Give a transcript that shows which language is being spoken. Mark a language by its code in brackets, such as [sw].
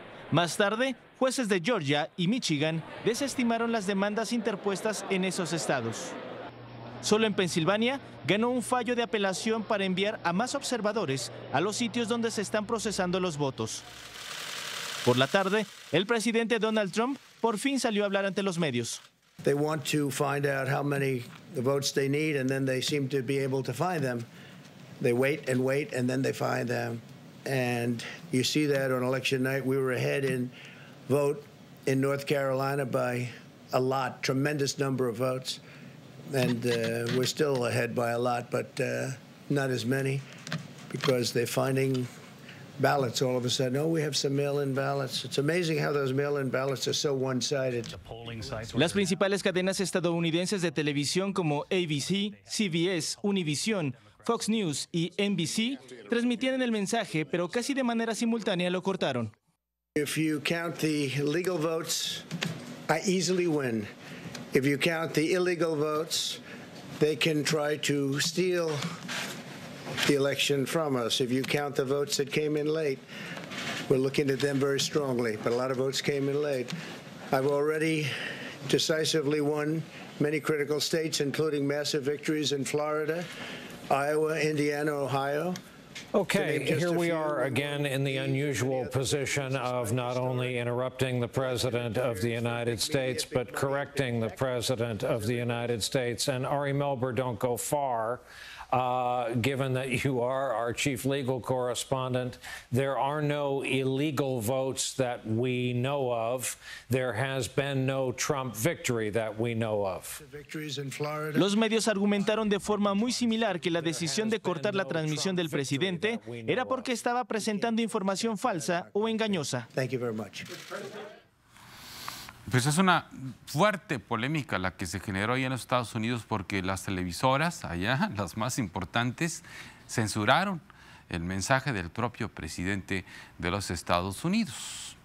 [es] Más tarde, jueces de Georgia y Michigan desestimaron las demandas interpuestas en esos estados. Solo en Pensilvania ganó un fallo de apelación para enviar a más observadores a los sitios donde se están procesando los votos. Por la tarde, el presidente Donald Trump por fin salió a hablar ante los medios. [en] They want to find out how many votes they need, and then they seem to be able to find them. They wait and wait, and then they find them. And you see that on election night. We were ahead in vote in North Carolina by a lot, tremendous number of votes. And we're still ahead by a lot, but not as many, because they're finding ballots all of a sudden. Oh, we have some mail-in ballots. It's amazing how those mail-in ballots are so one-sided. [es] Las principales cadenas estadounidenses de televisión como ABC, CBS, Univision, Fox News y NBC transmitieron el mensaje, pero casi de manera simultánea lo cortaron. [en] If you count the legal votes, I easily win. If you count the illegal votes, they can try to steal the election from us. If you count the votes that came in late, we're looking at them very strongly, but a lot of votes came in late. I've already decisively won many critical states, including massive victories in Florida, Iowa, Indiana, Ohio. Okay, here we are again in the unusual position of not only interrupting the President of the United States, but correcting the President of the United States. And Ari Melber, don't go far. Given that you are our chief legal correspondent, there are no illegal votes that we know of. There has been no Trump victory that we know of. [es] Los medios argumentaron de forma muy similar que la decisión de cortar la transmisión del presidente era porque estaba presentando información falsa o engañosa. [en] Thank you very much. [es] Pues es una fuerte polémica la que se generó ahí en los Estados Unidos, porque las televisoras allá, las más importantes, censuraron el mensaje del propio presidente de los Estados Unidos.